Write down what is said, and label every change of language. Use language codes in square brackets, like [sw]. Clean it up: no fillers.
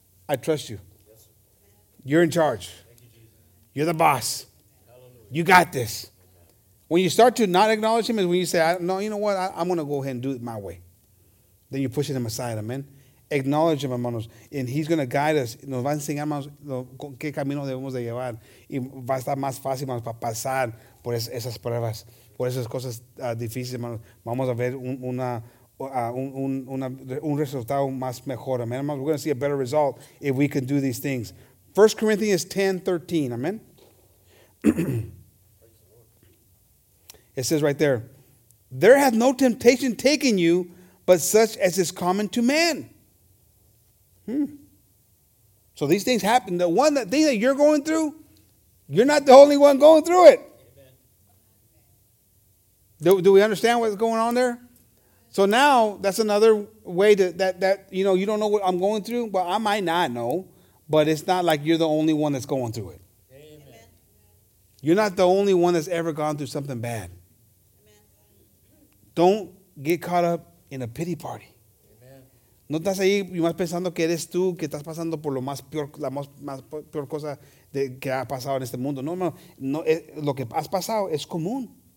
[en] I trust you. You're in charge. You're the boss. You got this. When you start to not acknowledge him is when you say, no, you know what? I'm going to go ahead and do it my way. Then you're pushing him aside. Amen. Acknowledge him, hermanos, and he's going to guide us. [es] Nos va a enseñar, hermanos, qué camino debemos de llevar. Y va a estar más fácil, hermanos, para pasar por esas pruebas, por esas cosas difíciles, hermanos. Vamos a ver un resultado más mejor, amen, hermanos. [en] We're going to see a better result if we can do these things. 1 Corinthians 10:13, amen. It says right there, there hath no temptation taken you, but such as is common to man. So these things happen. The one that thing that you're going through, you're not the only one going through it. Do we understand what's going on there? So now that's another way that you know, you don't know what I'm going through, but I might not know. But it's not like you're the only one that's going through it. Amen. You're not the only one that's ever gone through something bad. Amen. Don't get caught up in a pity party. [es] No estás ahí y más pensando que eres tú que estás pasando por lo más peor, la más peor cosa que ha pasado en este mundo. No, hermano, no, lo que has pasado es común.